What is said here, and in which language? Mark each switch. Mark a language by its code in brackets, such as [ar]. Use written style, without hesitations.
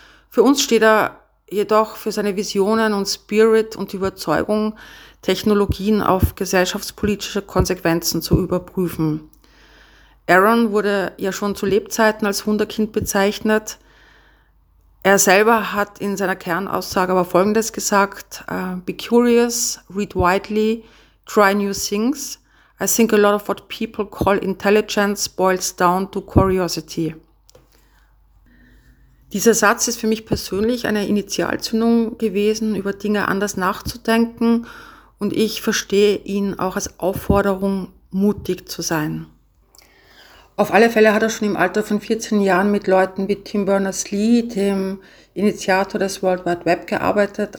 [de] Für uns steht er jedoch für seine Visionen und Spirit und Überzeugung, Technologien auf gesellschaftspolitische Konsequenzen zu überprüfen. Aaron wurde ja schon zu Lebzeiten als Wunderkind bezeichnet. Er selber hat in seiner Kernaussage aber Folgendes gesagt: [en] Be curious, read widely, try new things. I think a lot of what people call intelligence boils down to curiosity. [de] Dieser Satz ist für mich persönlich eine Initialzündung gewesen, über Dinge anders nachzudenken, und ich verstehe ihn auch als Aufforderung, mutig zu sein. Auf alle Fälle hat er schon im Alter von 14 Jahren mit Leuten wie Tim Berners-Lee, dem Initiator des World Wide Web, gearbeitet.